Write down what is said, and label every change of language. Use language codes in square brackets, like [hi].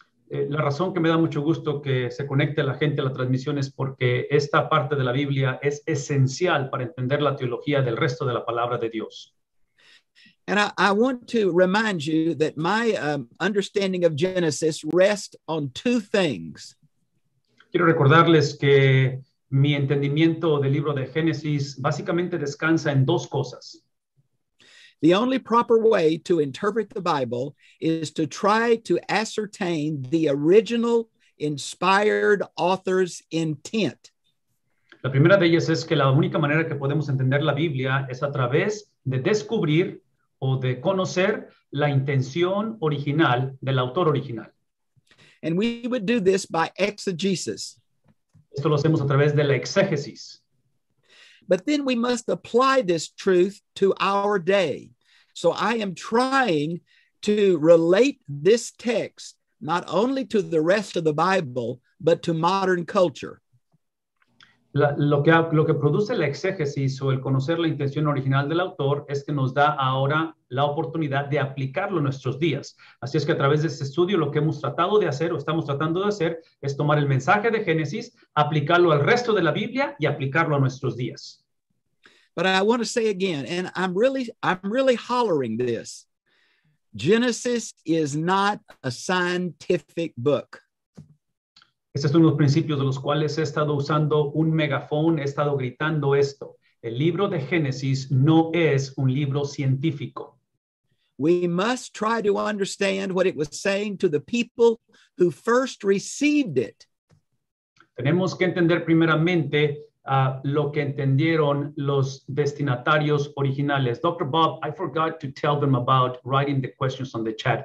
[es] La razón que me da mucho gusto que se conecte la gente a la transmisión es porque esta parte de la Biblia es esencial para entender la teología del resto de la palabra de Dios. [en] And I want to remind you that my understanding of Genesis rests on two things. [es] Quiero recordarles que mi entendimiento del libro de Génesis básicamente descansa en dos cosas. [en] The only proper way to interpret the Bible is to try to ascertain the original inspired author's intent. [es] La primera de ellas es que la única manera que podemos entender la Biblia es a través de descubrir o de conocer la intención original del autor original. [en] And we would do this by exegesis. [es] Esto lo hacemos a través de la exégesis. [en] But then we must apply this truth to our day. So I am trying to relate this text not only to the rest of the Bible, but to modern culture. [es] Lo que produce la exégesis o el conocer la intención original del autor es que nos da ahora la oportunidad de aplicarlo en nuestros días. Así es que a través de este estudio lo que hemos tratado de hacer o estamos tratando de hacer es tomar el mensaje de Génesis, aplicarlo al resto de la Biblia y aplicarlo a nuestros días. [en] But I want to say again, and I'm really hollering this. Genesis is not a scientific book. [es] Este es uno de los principios de los cuales he estado usando un megafón, he estado gritando esto. El libro de Génesis no es un libro científico. [en] We must try to understand what it was saying to the people who first received it. [es] Tenemos que entender primeramente lo que entendieron los destinatarios originales. Dr. [en] Bob, I forgot to tell them about writing the questions on the chat.